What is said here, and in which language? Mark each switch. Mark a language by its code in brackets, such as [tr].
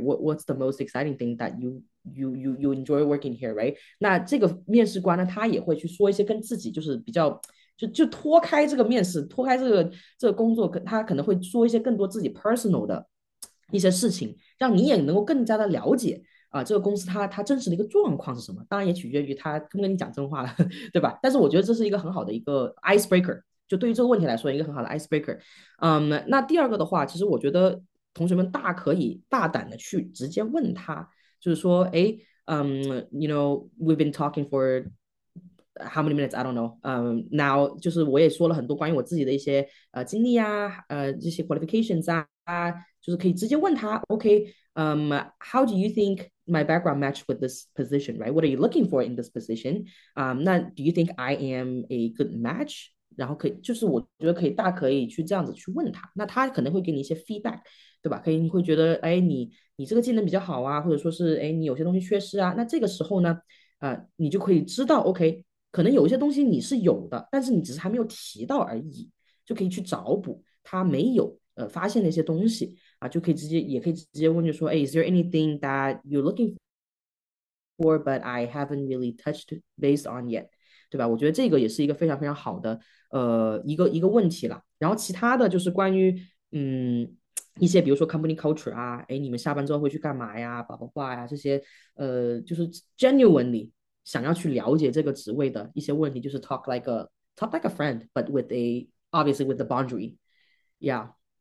[en] What's the most exciting thing that you enjoy working here, right? [zh] 那这个面试官呢，他也会去说一些跟自己就是比较，就脱开这个面试，脱开这个工作，他可能会说一些更多自己 personal 的一些事情，让你也能够更加的了解。这个公司它真实的一个状况是什么？当然也取决于他跟不跟你讲真话了，对吧？但是我觉得这是一个很好的一个 icebreaker，就对于这个问题来说一个很好的 icebreaker。那第二个的话，其实我觉得同学们大可以大胆的去直接问他，就是说，哎， [en] we've been talking for how many minutes? I don't know. [zh] Now 就是我也说了很多关于我自己的一些经历啊，这些 qualifications 啊，就是可以直接问他，OK， [en] how do you think my background match with this position, right? What are you looking for in this position? 那 do you think I am a good match? [zh] 然后可以，就是我觉得可以大可以去这样子去问他，那他可能会给你一些 feedback，对吧？可以你会觉得，哎，你这个技能比较好啊，或者说是，哎，你有些东西缺失啊，那这个时候呢，你就可以知道，OK，可能有一些东西你是有的，但是你只是还没有提到而已，就可以去找补他没有发现的一些东西。就可以直接，也可以直接问，就说，哎， [en] is there anything that you're looking for, but I haven't really touched base on yet？ [zh] 对吧？我觉得这个也是一个非常非常好的，一个问题了。然后其他的就是关于，一些比如说 company culture 啊，哎，你们下班之后会去干嘛呀？叭叭叭呀，这些，就是 genuinely 想要去了解这个职位的一些问题，就是 [en] talk like a friend，but with a obviously with the boundary，yeah。